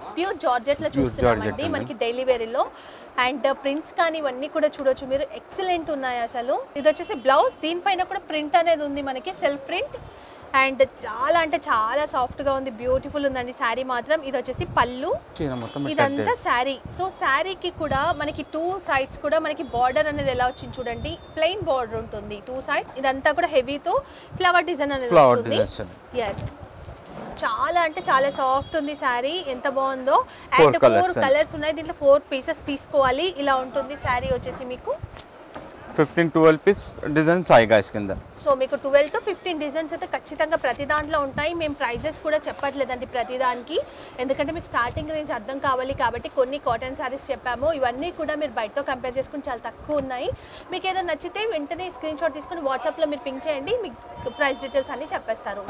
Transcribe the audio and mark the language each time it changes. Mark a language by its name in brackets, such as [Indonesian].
[Telugu] Pure georgette లో చూస్తున్నామండి మనకి డైలీ వేర్ లో అండ్ ప్రింట్స్ కాని ఇవన్నీ కూడా చూడొచ్చు మీరు ఎక్సలెంట్ ఉన్నాయి అసలు ఇది వచ్చేసి బ్లౌజ్ దీనిపైన కూడా ప్రింట్ అనేది ఉంది మనకి సెల్ఫ్ ప్రింట్ అండ్ చాలా అంటే చాలా సాఫ్ట్ గా ఉంది బ్యూటిఫుల్ ఉందండి సారీ మాత్రం ఇది వచ్చేసి పల్లు ఇదంతా సారీ సో సారీకి కూడా మనకి టూ సైడ్స్ కూడా మనకి బోర్డర్ అనేది ఎలా వచ్చింది చూడండి ప్లెయిన్ బోర్డర్ ఉంటుంది టూ సైడ్స్ ఇదంతా కూడా హెవీ తో ఫ్లవర్ డిజైన్ అనేది వస్తుంది yes చాలా అంటే చాలా సాఫ్ట్ ఉంది సారీ ఎంత బాగుందో అండ్ ఫోర్ కలర్స్ ఉన్నాయి దీంట్లో 4 పీసెస్ తీసుకోవాలి ఇలా ఉంటుంది సారీ వచ్చేసి మీకు [Hindi] 15-12 पीस डिजाइन्स आएगा इसके अंदर। [Telugu] सो మీకు 12 టు 15 డిజైన్స్ అయితే ఖచ్చితంగా ప్రతి దానిలో ఉంటాయి। మేము ప్రైసెస్ కూడా చెప్పట్లేదండి ప్రతి దానికి, ఎందుకంటే మీకు స్టార్టింగ్ రేంజ్ అర్థం కావాలి కాబట్టి। కొన్ని కాటన్ సారీస్ చెప్పామో ఇవన్నీ కూడా మీరు బయట తో కంపేర్ చేసుకుని చాలా తక్కువ ఉన్నాయి। మీకు ఏదో నచ్చితే వెంటనే స్క్రీన్ షాట్ తీసుకొని వాట్సాప్ లో మీరు పింగ్ చేయండి, మీకు ప్రైస్ డీటెయల్స్ అన్ని చెప్పేస్తారు।